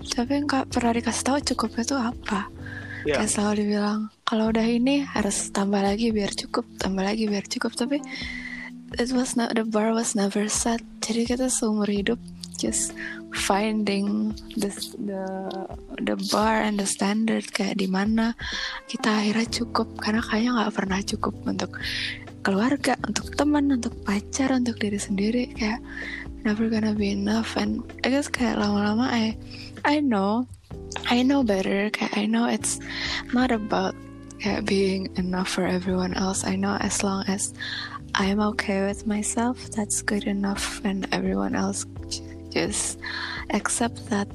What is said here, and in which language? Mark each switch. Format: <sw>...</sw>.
<id>Tapi gak pernah dikasih tahu cukupnya itu apa. Yeah. Kayak selalu dibilang, kalau udah ini harus tambah lagi biar cukup, tambah lagi biar cukup.</id> <en>Tapi it was not, the bar was never set.</en> <id>Jadi kita seumur hidup</id> <en>just finding the bar and the standard,</en> <id>kayak di mana kita akhirnya cukup. Karena kayaknya nggak pernah cukup untuk keluarga, untuk teman, untuk pacar, untuk diri sendiri.</id> <en>Kayak never gonna be enough. And I guess</en> <id>kayak lama-lama</id> <en>I know better. Kayak I know it's not about kayak being enough for everyone else. I know as long as I'm okay with myself, that's good enough, and everyone else just accept that.</en>